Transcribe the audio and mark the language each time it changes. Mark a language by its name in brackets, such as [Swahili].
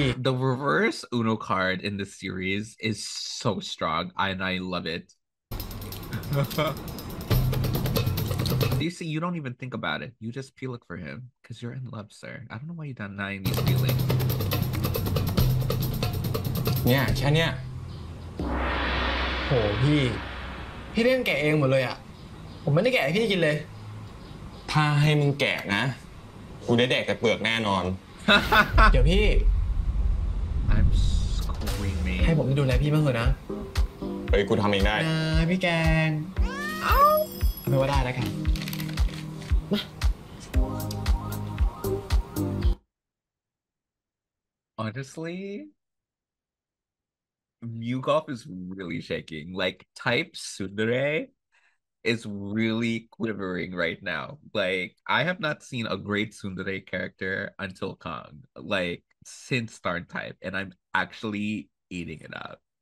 [English] The reverse Uno card in the series is so strong and I love itYou see, you don't even think about it. You just peel it for him because you're in love, sir. I don't know why you're denying these feelings. [Thai] Yeah, แค่เนี้ย โหพี่เรื่องแกะเองหมดเลยอ่ะผมไม่ได้แกะให้พี่กินเลย ถ้าให้มึงแกะนะกูได้แดกแต่เปลือกแน่นอน เดี๋ยวพี่ [English] I'm screaming [Thai] ให้ผมดูแลพี่บ้างเถอะนะ เฮ้ยกูทำเองได้พี่แกงเอ้าไม่ว่าได้แล้วค่ะมา [English] Honestly Mugoff is really shaking like type tsundere is really quivering right now. Like, I have not seen a great tsundere character until Kang, like, since Starn type, and I'm actually eating it up.